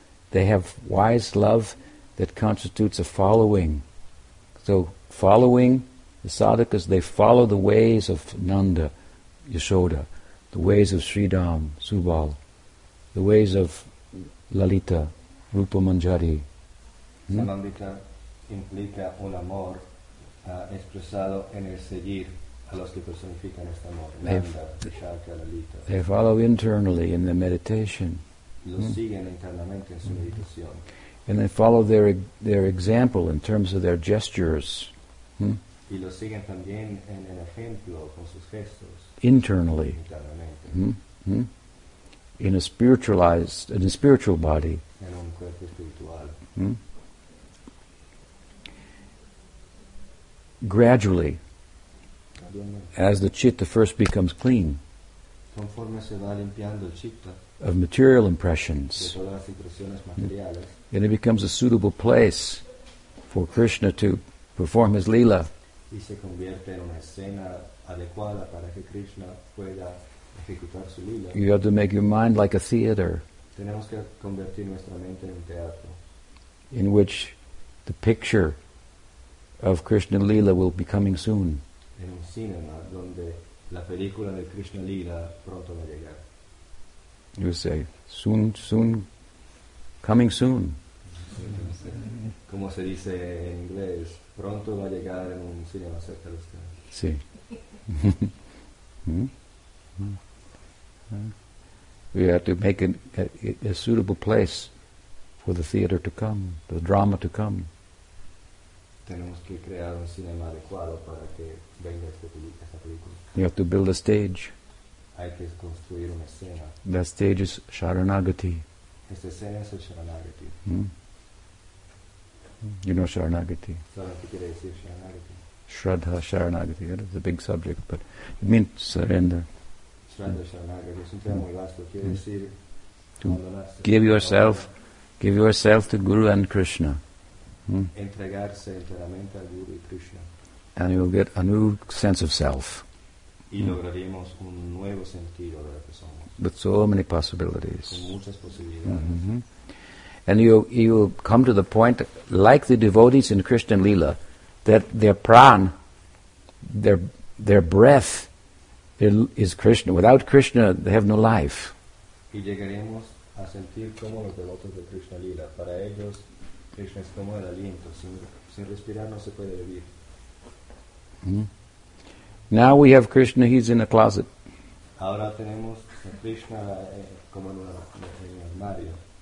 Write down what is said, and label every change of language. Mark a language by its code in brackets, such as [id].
[en] They have wise love that constitutes a following. So following the sadhakas, they follow the ways of Nanda, Yashoda, the ways of Sridham, Subal, the ways of Lalita, Rupa Manjari. [es] Samanvita implica un amor expresado en el seguir a los que personifican este amor. [en] They follow internally in the meditation. [es] Siguen internamente en su meditación. [en] And they follow their example in terms of their gestures. [es] Y lo siguen también en el ejemplo con sus gestos. [en] Internally. [es] Internamente. [en] In a spiritualized, in a spiritual body. [es] En un cuerpo espiritual. [en] Gradually, as the citta first becomes clean of material impressions, then it becomes a suitable place for Krishna to perform his lila. You have to make your mind like a theater in which the picture of Krishna Lila will be coming soon. In a cinema, [es] donde la película de Krishna Lila pronto va a llegar. [en] You say, soon, soon, coming soon. [es] Como se dice en inglés, pronto va a llegar en un cinema cerca de usted. Sí. [en] We have to make a suitable place for the theater to come, the drama to come. [es] Tenemos que crear un cinema adecuado para que venga esta película. [en] You have to build a stage. [es] Hay que construir una escena. [en] That stage is Sharanagati. [es] Esta escena es el Sharanagati. [en] You know Sharanagati. [es] ¿Sabes qué quiere decir Sharanagati? Shraddha Sharanagati. [en] That is a big subject, but it means surrender. [es] Shraddha Sharanagati es un tema muy vasto. Quiere decir [en] to give yourself to Guru and Krishna. [es] Entregarse enteramente al Guru y Krishna. [en] And you'll get a new sense of self. [es] Y lograremos un nuevo sentido de la persona. [en] with so many possibilities. Mm-hmm. And you come to the point, like the devotees in Krishna Lila, that their prana, their breath, is Krishna. Without Krishna, they have no life. [es] Y llegaremos a sentir como los devotos de Krishna Lila. Para ellos, Krishna es como el aliento. Sin respirar, no se puede vivir. [en] Mm-hmm. Now we have Krishna, he's in a closet. [es] Ahora tenemos a Krishna como en un armario.